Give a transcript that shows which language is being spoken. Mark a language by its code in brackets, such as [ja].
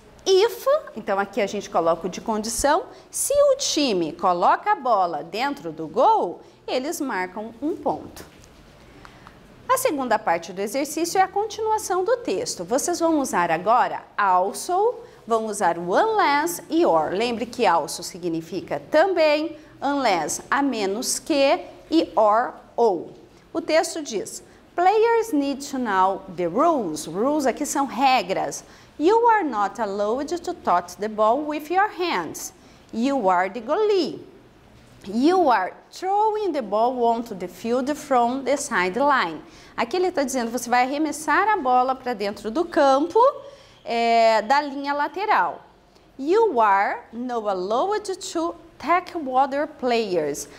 [pt] If, então aqui a gente coloca o de condição, se o time coloca a bola dentro do gol, eles marcam um ponto. A segunda parte do exercício é a continuação do texto. Vocês vão usar agora also, vão usar o unless e or. Lembre que also significa também, unless a menos que e or ou. O texto diz, [en] players need to know the rules. [pt] Rules aqui são regras. [en] You are not allowed to touch the ball with your hands. You are the goalie. You are throwing the ball onto the field from the sideline. [pt] Aqui ele está dizendo, você vai arremessar a bola para dentro do campo, da linha lateral. [en] You are not allowed to tackle other players.